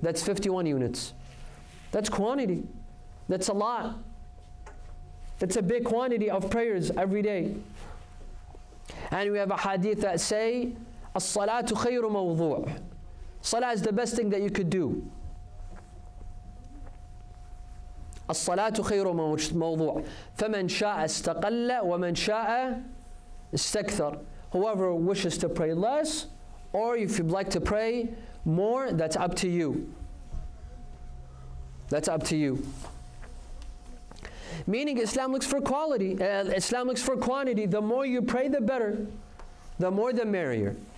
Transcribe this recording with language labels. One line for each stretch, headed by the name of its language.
English: That's 51 units. That's quantity. That's a lot. That's a big quantity of prayers every day. And we have a hadith that say, As-salatu khayru mawdu'. Salah is the best thing that you could do.
Arabic: الصلاة خير موضوع فمن شاء استقل ومن شاء استكثر.
English: Whoever wishes to pray less, or if you'd like to pray more, that's up to you. That's up to you. Meaning Islam looks for quality. Islam looks for quantity. The more you pray, the better. The more, the merrier.